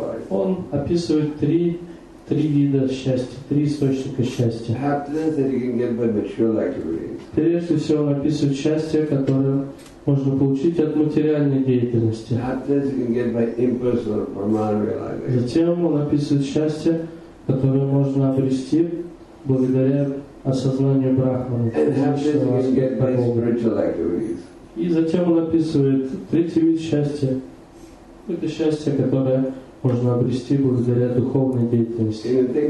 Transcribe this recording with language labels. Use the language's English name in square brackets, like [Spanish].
[Russian] Он описывает три вида счастья, три источника счастья. [English] Happiness that you can get by material activities. [Russian] Прежде всего, он описывает счастье, которое можно получить от материальной деятельности. [English] Happiness you can get by impersonal brahman realization. [Russian] Затем он описывает счастье, которое можно обрести благодаря осознанию брахмана. [English] Happiness you can get by spiritual activities. [Russian] И затем он описывает третий вид счастья. Это счастье, которое можно обрести благодаря духовной деятельности.